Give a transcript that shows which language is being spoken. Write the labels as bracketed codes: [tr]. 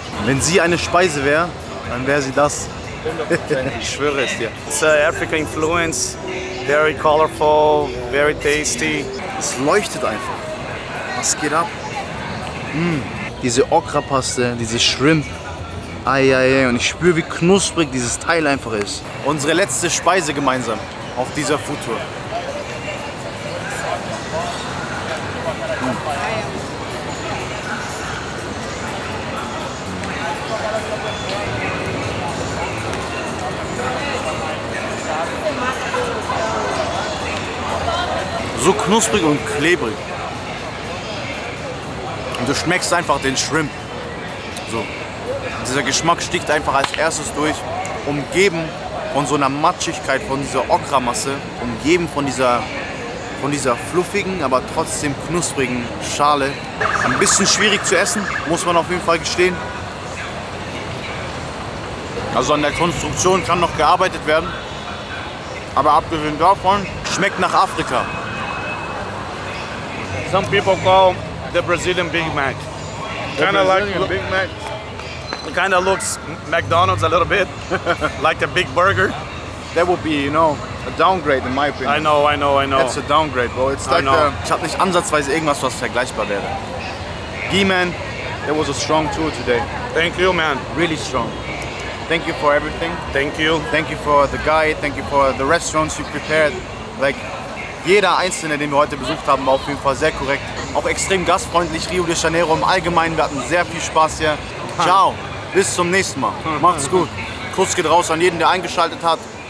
[de] Wenn sie eine Speise wäre, dann wäre sie das. Ich schwöre es dir. It's an African influence, very colorful, very tasty. Es leuchtet einfach. Was geht ab? Mm. Diese Okra-Paste, diese Shrimp. Eieiei, und ich spüre, wie knusprig dieses Teil einfach ist. Unsere letzte Speise gemeinsam auf dieser Food Tour. So knusprig und klebrig. Und du schmeckst einfach den Shrimp. So. Dieser Geschmack sticht einfach als erstes durch, umgeben von so einer Matschigkeit, von dieser Okramasse, umgeben von dieser fluffigen, aber trotzdem knusprigen Schale. Ein bisschen schwierig zu essen, muss man auf jeden Fall gestehen. Also an der Konstruktion kann noch gearbeitet werden. Aber abgesehen davon, schmeckt nach Afrika. [en] Some people call the Brazilian Big Mac. Kind of like a Big Mac. It kind of looks McDonald's a little bit, like a big burger. That would be, you know, a downgrade in my opinion. I know. That's a downgrade, bro. It's like [de] ich habe nicht ansatzweise irgendwas, was vergleichbar wäre. [en] G-Man, that was a strong tour today. Thank you, man. Really strong. Thank you for everything. Thank you. Thank you for the guide. Thank you for the restaurants you prepared. Like. [de] Jeder Einzelne, den wir heute besucht haben, war auf jeden Fall sehr korrekt. Auch extrem gastfreundlich, Rio de Janeiro im Allgemeinen. Wir hatten sehr viel Spaß hier. Ciao, bis zum nächsten Mal. Macht's gut. Kuss geht raus an jeden, der eingeschaltet hat.